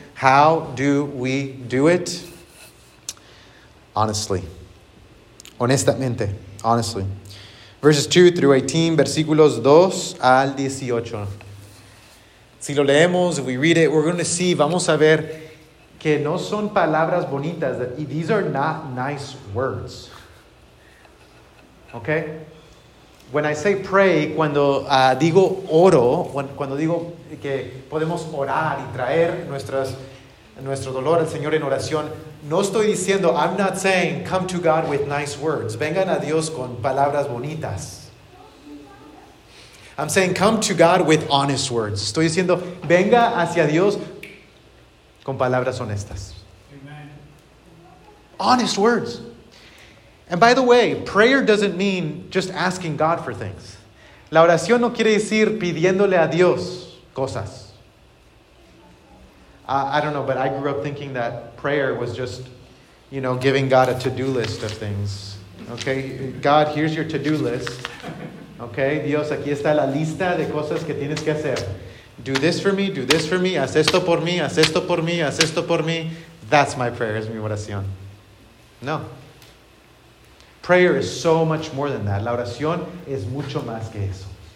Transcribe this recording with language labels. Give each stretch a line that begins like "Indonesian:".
English: How do we do it? Honestly.
Spanish: Honestamente.
English: Honestly. Verses 2 through 18,
Spanish: versículos 2 al 18. Si lo leemos,
English: if we read it, we're going to see,
Spanish: vamos a ver que no son palabras bonitas.
English: That, these are not nice words. Okay? When I say pray,
Spanish: cuando digo oro, cuando digo que podemos orar y traer nuestro dolor al Señor en oración, no estoy diciendo,
English: I'm not saying, come to God with nice words.
Spanish: Vengan a Dios con palabras bonitas.
English: I'm saying come to God with honest words.
Spanish: Estoy diciendo, venga hacia Dios con palabras honestas.
English: Amen. Honest words. And by the way, prayer doesn't mean just asking God for things.
Spanish: La oración no quiere decir pidiéndole a Dios cosas.
English: I don't know, but I grew up thinking that prayer was just, you know, giving God a to-do list of things. Okay, God, here's your to-do list.
Spanish: Okay, Dios, aquí está la lista de cosas que tienes que hacer.
English: Do this for me,
Spanish: do this for me, haz esto por mí, haz esto por mí, haz esto por mí.
English: That's my prayer,
Spanish: es mi oración.
English: No. Prayer is so much more than that.
Spanish: La oración es mucho más que eso.